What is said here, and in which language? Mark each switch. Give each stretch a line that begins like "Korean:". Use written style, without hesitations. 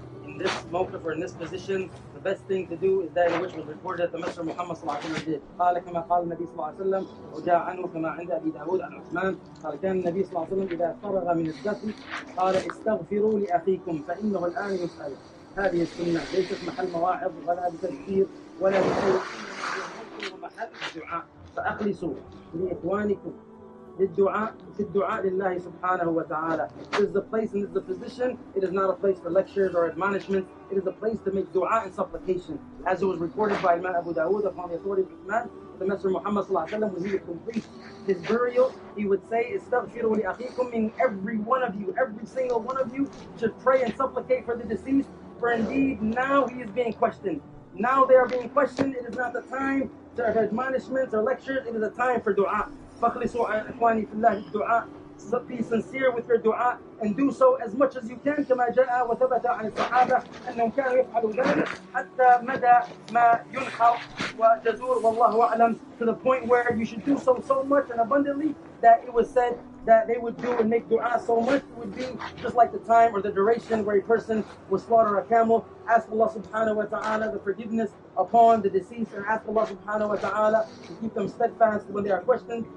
English: In this moment or in this position, the best thing to do is that which was reported that the Messenger of Muhammad sallallahu alaihi wasallam did.
Arabic: قال كما قال النبي صلى الله عليه وسلم وجاء عنه كما عند أبي داود عن عثمان. قال كان النبي صلى الله عليه وسلم إذا فرغ من الدفن قال استغفروا لأخيكم فإنه الآن يسأل. هذه السنة ليست محل مواعظ ولا بتذكير ولا بتقول، محل الدعاء. فأخلصوا لإخوانكم للدعاء في الدعاء لله سبحانه وتعالى.
English: This is the place and this is the position. It is not a place for lectures or admonishments. It is a place to make dua and supplication. As it was recorded by Imam Abu Dawood upon the authority of Imam, the Messenger Muhammad sallallahu alaihi wasallam, when he would complete his burial, he would say,
Arabic: "Istaghfiru li akhikum,"
English: meaning every one of you, every single one of you, should pray and supplicate for the deceased. For indeed, now he is being questioned. Now they are being questioned. It is not the time for admonishments or lectures. It is a time for dua.
Arabic: فخلصوا إخواني في الله الدعاء.
English: Be sincere with your دعاء and do so as much as you can.
Arabic: كما جاء وثبت عن الصحابة أنهم كانوا يفعلون ذلك حتى مدى ما ينحو وتزور والله أعلم.
English: To the point where you should do so so much and abundantly that it was said that they would do and make دعاء so much it would be just like the time or the duration where a person would slaughter a camel. Ask Allah subhanahu wa ta'ala the forgiveness upon the deceased, and ask Allah subhanahu wa ta'ala to keep them steadfast when they are questioned.